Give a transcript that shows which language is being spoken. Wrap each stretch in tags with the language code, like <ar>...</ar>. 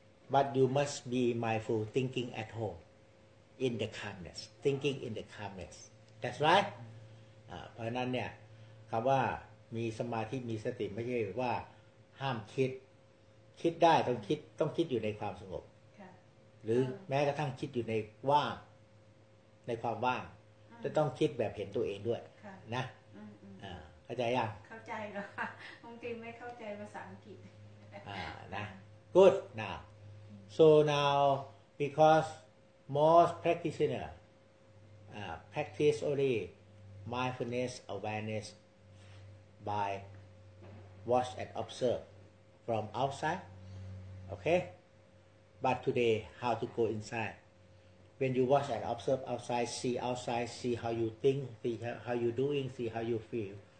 <en>But you must be mindful thinking at home. In the calmness. Thinking in the calmness. That's right?</en> <th>เพราะนั้นเนี่ยคำว่ามีสมาธิมีสติไม่ใช่ว่าห้ามคิดคิดได้ต้องคิดอยู่ในความสงบหรือแม้กระทั่งคิดอยู่ในว่างในความว่างจะต้องคิดแบบเห็นตัวเองด้วยนะเข้าใจยัง เข้าใจแล้วค่ะบางทีไม่เข้าใจภาษาอังกฤษ</th> <en>นะ good now so now because most practitioner practice only mindfulness awareness by watch and observe from outside okay but today how to go insideWhen you watch and observe outside, see how you think, see how you doing, see how you feel.</en>